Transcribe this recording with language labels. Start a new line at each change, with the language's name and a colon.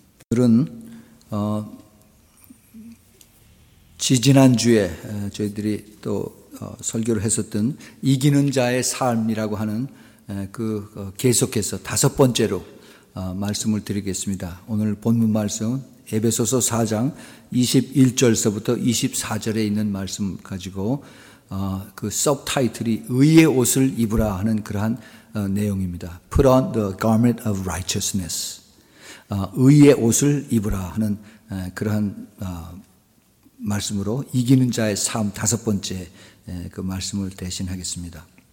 Korean: 오늘은 지지난주에 저희들이 또 설교를 했었던 이기는 자의 삶이라고 하는 계속해서 다섯 번째로 말씀을 드리겠습니다. 오늘 본문 말씀은 에베소서 4장 21절서부터 24절에 있는 말씀 가지고 그 서브타이틀이 의의 옷을 입으라 하는 그러한 내용입니다.
English: Put on the garment of righteousness.
Korean: 의의 옷을 입으라 하는 그러한 말씀으로 이기는 자의 삶 다섯 번째 그 말씀을 대신하겠습니다.